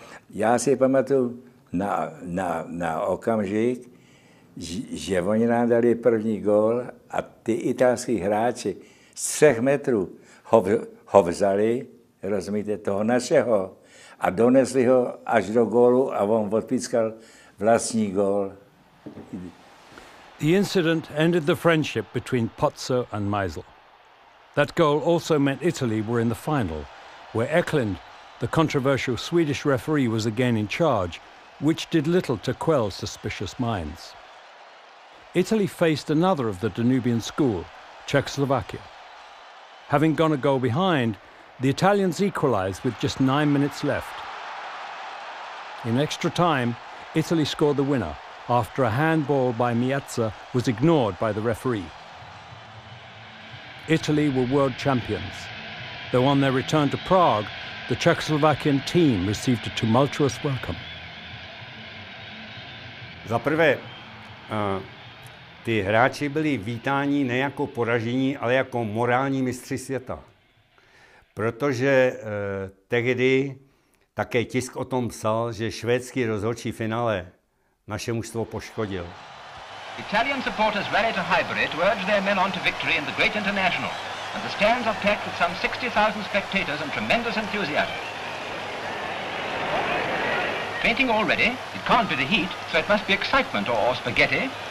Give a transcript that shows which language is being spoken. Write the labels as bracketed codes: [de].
[cs] Já si pamatuju na okamžik, že oni nám dali první gól a ty italský hráči z 3 metrů ho vzali, rozumíte, toho našeho, a donesli ho až do gólu a on odpískal vlastní gól. [en] The incident ended the friendship between Pozzo and Meisel. That goal also meant Italy were in the final, where Eklund, the controversial Swedish referee, was again in charge, which did little to quell suspicious minds. Italy faced another of the Danubian school, Czechoslovakia. Having gone a goal behind, the Italians equalized with just 9 minutes left. In extra time, Italy scored the winner after a handball by Miazza was ignored by the referee. Italy were world champions, though on their return to Prague, the Czechoslovakian team received a tumultuous welcome. [cs] Za prvé, ty hráči byli vítáni ne jako poražení, ale jako morální mistři světa. Protože tehdy také tisk o tom psal, že švédský rozhodčí finále naše mužstvo poškodil. [en] Italian supporters rallied to Highbury to urge their men on to victory in the great international. And the stands are packed with some 60,000 spectators and tremendous enthusiasm. Fainting already? It can't be the heat, so it must be excitement or spaghetti.